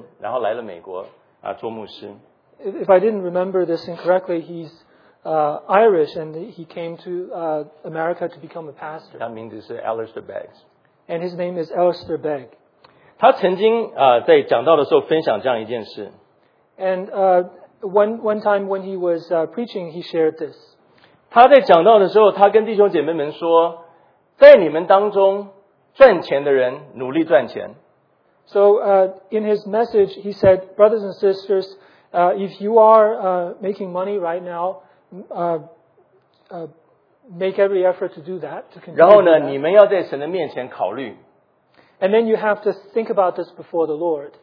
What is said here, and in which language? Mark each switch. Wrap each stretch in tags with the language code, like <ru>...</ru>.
<zh>他如果没记错的话是爱尔兰人,然后来了美国做牧师。</zh> <en>If I didn't remember this incorrectly, he's Irish and he came to America to become a pastor.</en> <zh>他名字是 Alistair Begg.</zh> <en>And his name is Alistair Begg.</en> <zh>他曾经在讲道的时候分享这样一件事。</zh> <en>And one time when he was preaching, he shared this.</en> <zh>他在讲道的时候,他跟弟兄姐妹们说, 在你们当中,赚钱的人努力赚钱。</zh> <en>So in his message, he said, brothers and sisters, if you are making money right now, make every effort to do that, to continue.</en> <zh>然后呢,你们要在神的面前考虑。</zh> <en>And then you have to think about this before the Lord.</en>